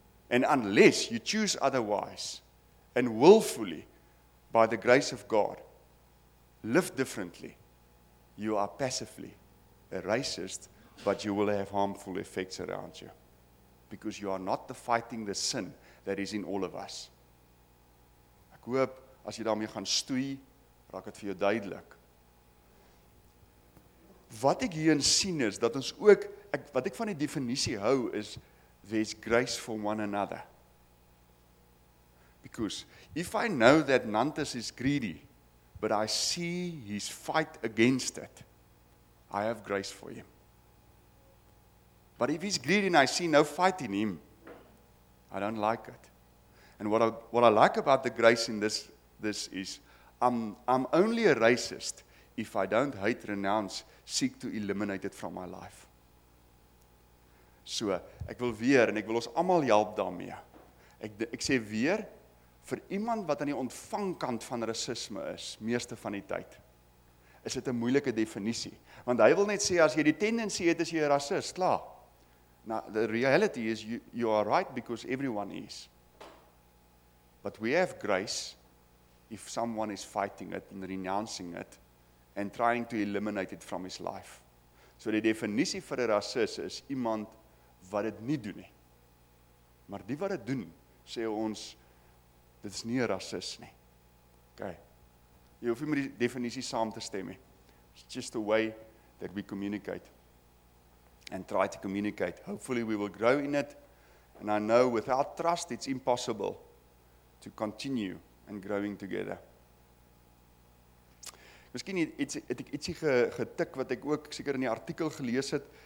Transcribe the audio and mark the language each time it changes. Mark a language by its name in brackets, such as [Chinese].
[English] And unless you choose otherwise and willfully by the grace of God, live differently, you are passively a racist, but you will have harmful effects around you. Because you are not the fighting the sin that is in all of us. [Afrikaans] Ek hoop, as jy daarmee gaan stoei, raak het vir jou duidelik. Wat ek hierin sien is, dat ons ook, wat ek van die definisie hou, is, [English] there's grace for one another. Because, if I know that Nantes is greedy, but I see his fight against it, I have grace for him. But if he's greedy and I see no fight in him, I don't like it. And what I like about the grace in this is, I'm only a racist if I don't hate, renounce, seek to eliminate it from my life. [Afrikaans] So, ek wil weer, en ek wil ons allemaal help daarmee. Ek sê weer, vir iemand wat aan die ontvangkant van racisme is, meeste van die tyd, is dit 'n moeilike definisie. Want hy wil net sê, as jy die tendensie het, is jy 'n racist, klaar. [English] Now, the reality is, you are right because everyone is. But we have grace, if someone is fighting it and renouncing it, and trying to eliminate it from his life. [Afrikaans] So die definisie vir 'n rasis is iemand wat dit nie doen nie. Maar die wat dit doen, sê ons, dit is nie 'n rasis nie. Okay. Jy hoef nie met die definisie saam te stem nie. [English] It's just a way that we communicate. And try to communicate. Hopefully we will grow in it. And I know without trust it's impossible to continue and growing together. [Afrikaans] Miskien ietsie getik wat ek ook seker in die artikel gelees het.